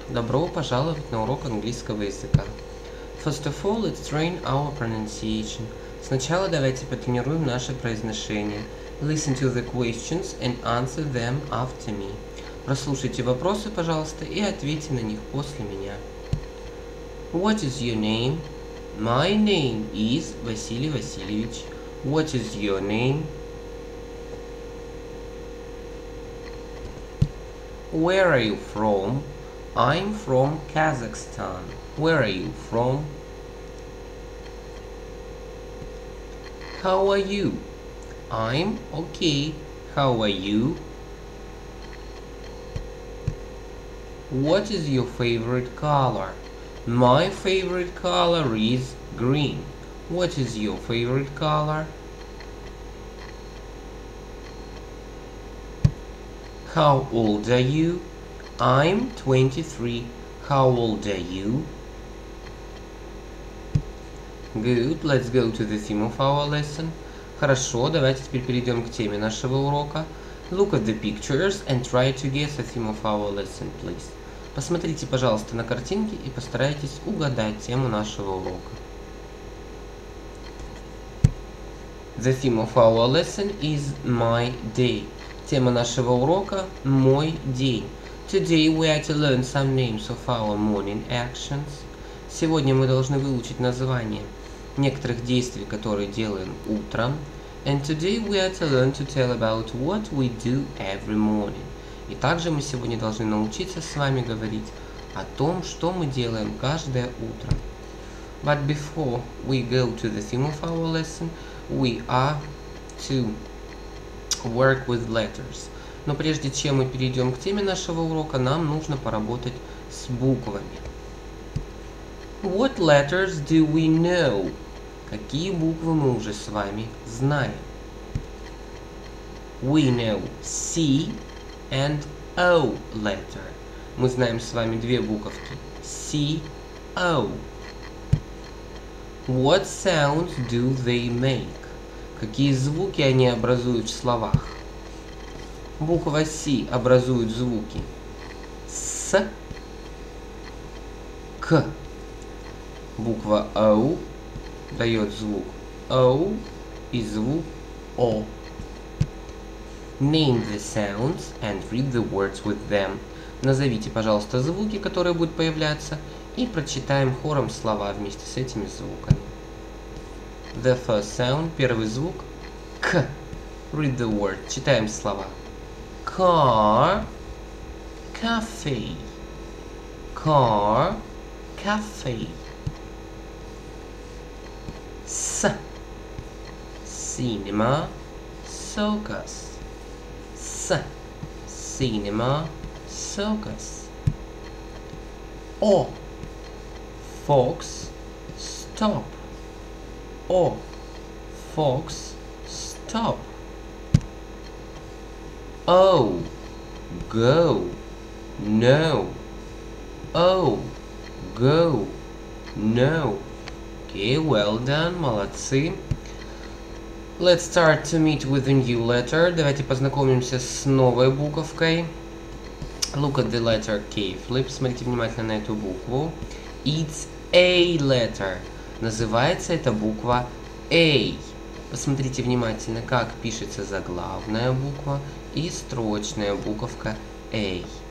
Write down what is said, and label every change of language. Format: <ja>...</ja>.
<ru>Добро пожаловать на урок английского языка.</ru> <en>First of all, let's train our pronunciation.</en> <ru>Сначала давайте потренируем наше произношение.</ru> <en>Listen to the questions and answer them after me.</en> <ru>Прослушайте вопросы, пожалуйста, и ответьте на них после меня.</ru> <en>What is your name? My name is</en> <ru>Василий Васильевич.</ru> <en>What is your name? Where are you from? I'm from Kazakhstan. Where are you from? How are you? I'm okay. How are you? What is your favorite color? My favorite color is green. What is your favorite color? How old are you? I'm 23. How old are you? Good, let's go to the theme of our lesson.</en> <ru>Хорошо, давайте теперь перейдем к теме нашего урока.</ru> <en>Look at the pictures and try to guess the theme of our lesson, please.</en> <ru>Посмотрите, пожалуйста, на картинки и постарайтесь угадать тему нашего урока.</ru> <en>The theme of our lesson is my day.</en> <ru>Тема нашего урока – мой день.</ru> <en>Today we are to learn some names of our morning actions.</en> <ru>Сегодня мы должны выучить названия некоторых действий, которые делаем утром.</ru> <en>And today we are to learn to tell about what we do every morning.</en> <ru>И также мы сегодня должны научиться с вами говорить о том, что мы делаем каждое утро.</ru> <en>But before we go to the theme of our lesson, we are to work with letters.</en> <ru>Но прежде чем мы перейдем к теме нашего урока, нам нужно поработать с буквами.</ru> <en>What letters do we know?</en> <ru>Какие буквы мы уже с вами знаем?</ru> <en>We know C and O letter.</en> <ru>Мы знаем с вами две буковки.</ru> <en>C, O. What sounds do they make?</en> <ru>Какие звуки они образуют в словах? Буква C образует звуки С, К. Буква O дает звук O и звук O.</ru> <en>Name the sounds and read the words with them.</en> <ru>Назовите, пожалуйста, звуки, которые будут появляться, и прочитаем хором слова вместе с этими звуками.</ru> <en>The first sound,</en> <ru>первый звук, К.</ru> <en>Read the word,</en> <ru>читаем слова.</ru> <en>Car, cafe, car, cafe. С, cinema, circus, с, cinema, circus. О, fox, stop, о, fox, stop. Oh, go, no. Oh, go, no. Okay, well done,</en> <ru>молодцы.</ru> <en>Let's start to meet with a new letter.</en> <ru>Давайте познакомимся с новой буковкой.</ru> <en>Look at the letter carefully.</en> <ru>Посмотрите внимательно на эту букву.</ru> <en>It's A letter.</en> <ru>Называется эта буква A. Посмотрите внимательно, как пишется заглавная буква и строчная буковка A.</ru>